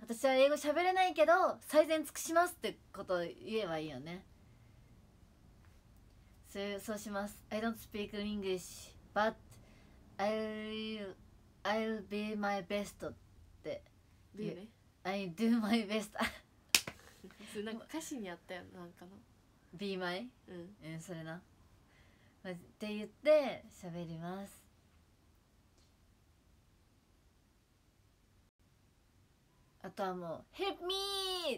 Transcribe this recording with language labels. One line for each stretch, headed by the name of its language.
Japanese: 私は英語喋れないけど最善尽くしますってことを言えばいいよね。そうします。
English: I don't speak English but I'll be my best
Japanese: って
English: be、ね、 I'll do my best。
Japanese: なんか歌詞にあったよ、なんかの
English: be my、
Japanese: うん、それなって言って喋ります。あとはもう
English: Help me!